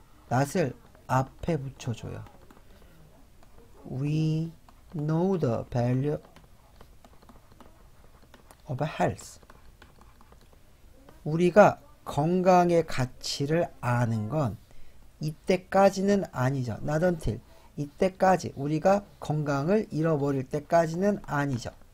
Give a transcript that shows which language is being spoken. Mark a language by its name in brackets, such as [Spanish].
[Korean] not을 앞에 붙여줘요. [English] We know the value of health. [Korean] 우리가 건강의 가치를 아는 건 이때까지는 아니죠. [English] not until. [Korean] 이때까지 우리가 건강을 잃어버릴 때까지는 아니죠.